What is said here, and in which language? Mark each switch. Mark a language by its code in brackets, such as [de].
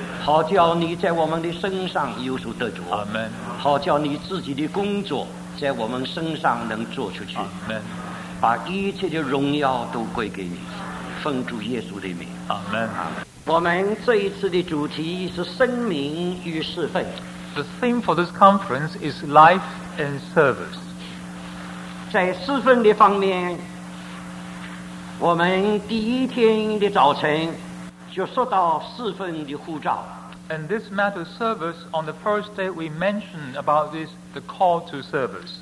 [zh] 好叫你在我们的身上有所得着、 [en] Amen. [zh] 好叫你自己的工作在我们身上能做出去、 [en] Amen. [zh] 把一切的荣耀都归给你奉主耶稣的名 [en] Amen, Amen. [zh] 我们这一次的主题是生命与侍奉。 [en] The theme for this conference is life and service. [zh] 在侍奉的方面，我们第一天的早晨就说到侍奉的护照。 [en] And this matter of service, on the first day we mentioned about this, the call to service.